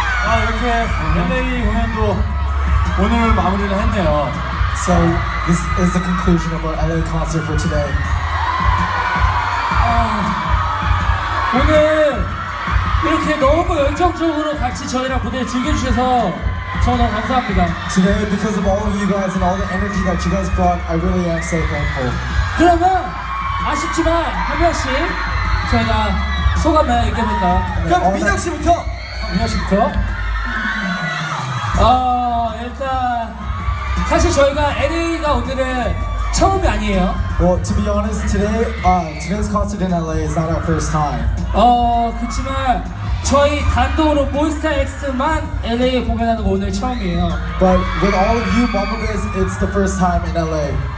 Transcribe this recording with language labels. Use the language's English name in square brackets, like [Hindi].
[Korean] 아, 이렇게 LA 공연도 오늘 마무리를 했네요. [English] So this is the conclusion of our LA concert for today. [Korean] 오늘 이렇게 너무 열정적으로 같이 저희랑 무대 즐겨주셔서 정말 감사합니다. [English] Today, because of all of you guys and all the energy that you guys brought, I really am so thankful. [Korean] 그러면 아쉽지만 한 명씩 저희가 소감을 얘기해볼까요? 그럼 민혁 씨부터! 민혁 씨부터? 일단 사실 저희가 LA가 오늘은 처음이 아니에요. [English] Well, to be honest, today's concert in LA is not our first time. [Korean] 그렇지만 저희 단독으로 몬스타엑스만 LA에 공연하는 거 오늘 처음이에요. [English] But with all of you Bumblebees, it's the first time in LA.